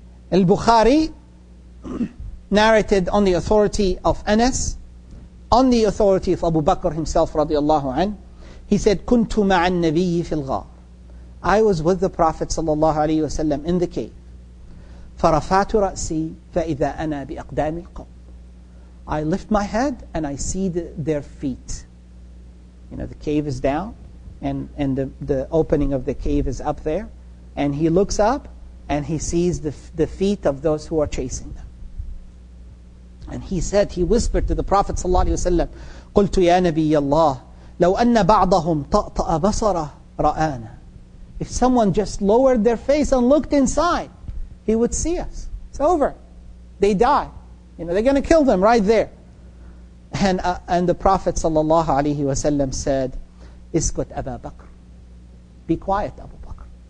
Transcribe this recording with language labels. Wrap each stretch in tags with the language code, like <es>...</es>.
<en>Al-Bukhari narrated on the authority of Anas, on the authority of Abu Bakr himself, radiallahu anhu, he said,</en> <ar>"Kuntu ma'an nabiyyi fil ghar."</ar> <en>I was with the Prophet sallallahu alayhi wa sallam in the cave.</en> <ar>فرفعت رأسي فإذا أنا بأقدام القوم.</ar> <en>I lift my head and I see their feet. The cave is down, and the opening of the cave is up there, and he looks up and he sees the feet of those who are chasing them. And he whispered to the Prophet</en> <ar>صلى الله عليه وسلم, قلت يا نبي الله لو أن بعضهم طأطأ بصره رآنا.</ar> <en>If someone just lowered their face and looked inside, he would see us. It's over. They die. They're going to kill them right there. And the Prophet sallallahu alaihi wasallam said,</en> <ar>"Iskut Abu Bakr.</ar> <en>Be quiet, Abu Bakr.</en>